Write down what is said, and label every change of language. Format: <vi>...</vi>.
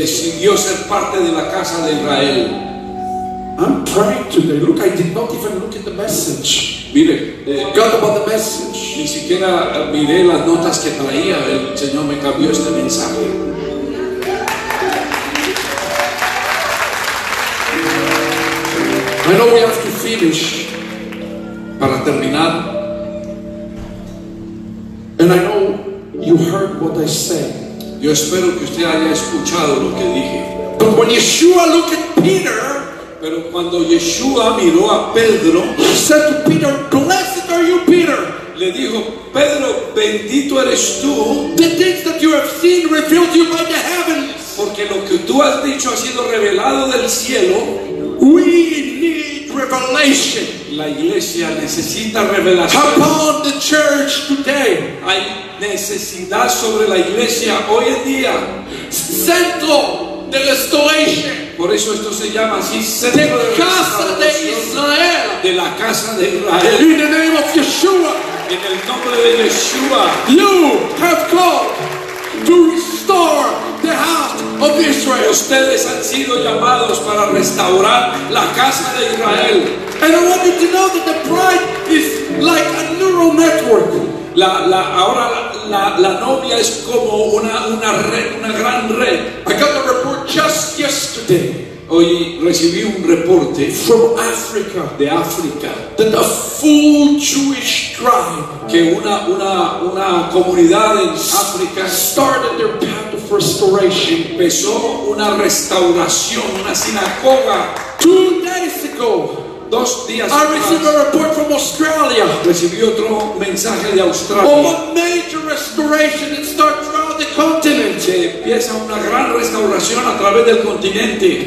<es>Decidió ser parte de la casa de Israel.</es> <en>I'm praying today. Look, I did not even look at the message.</en> <es>Mire,</es> <en>God about the message.</en> <es>Ni siquiera miré las notas que traía. El Señor me cambió este mensaje.</es> <en>I know we have to finish.</en> <es>Para terminar.</es> <en>And I know you heard what I said.</en> <es>Yo espero que usted haya escuchado lo que dije.</es> <en>But when Yeshua looked at Peter.</en> <es>Pero cuando Yeshua miró a Pedro,</es> <en>he said to Peter, "Blessed are you, Peter."</en> <es>Le dijo, Pedro, bendito eres tú.</es> <en>The things that you have seen revealed to you by the heavens.</en> <es>Porque lo que tú has dicho ha sido revelado del cielo.</es> <en>We need revelation.</en> <es>La iglesia necesita revelación.</es> <en>Upon the church today.</en> <es>Hay necesidad sobre la iglesia hoy en día. Centro de restauración. Por eso esto se llama así, centro de casa de Israel. De la casa de Israel.</es> <en>In the name of Yeshua.</en> <es>En el nombre de Yeshua.</es> <en>You have called to restore the heart of Israel.</en> <es>Ustedes han sido llamados para restaurar la casa de Israel.</es> <en>And I want you to know that the bride is like a neural network.</en> <es>La novia es como una gran red.</es> <en>I got a report just yesterday.</en> <es>Hoy recibí un reporte</es> <en>from Africa,</en> <es>de África,</es> <en>that a full Jewish tribe,</en> <es>que una comunidad en África,</es> <en>started their path of restoration.</en> <es>Empezó una restauración, una sinagoga.</es> <en>2 days ago.</en> <es>Dos días</es> <en>I received</en> <es>atrás,</es> <en>a report from Australia.</en> <es>Recibí otro mensaje de Australia.</es> <en>Of a major restoration that starts throughout the continent.</en> <es>Se empieza una gran restauración a través del continente.</es>